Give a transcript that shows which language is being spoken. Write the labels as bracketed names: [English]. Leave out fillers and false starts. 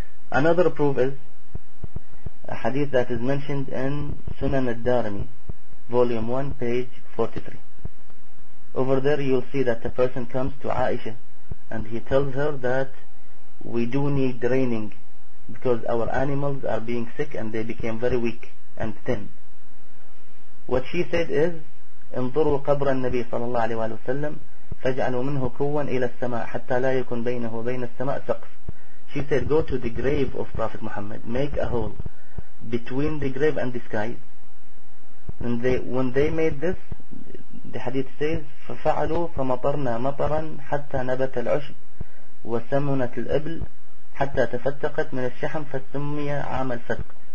[English] Another proof is a hadith that is mentioned in Sunan Al-Darimi, volume 1, page 43. Over there you'll see that a person comes to Aisha and he tells her that we do need raining because our animals are being sick and they became very weak and thin. What she said is, [Arabic] انظروا قبر النبي صلى الله عليه وسلم فاجعلوا منه كوا إلى السماء حتى لا يكون بينه وبين السماء سقف. [English] She said, go to the grave of Prophet Muhammad, make a hole between the grave and the sky. And when they made this, the hadith says, [Arabic] فَفَعَلُوا فَمَطَرْنَا مَطَرًا حَتَّى نَبَتَ الْعُشْبُ وَسَمُنَتْ الْأَبْلُ حَتَّى تَفَتَّقَتْ مِنَ الشَّحَمْ فَسُمِّيَ عَامَ الْفَسْقِ.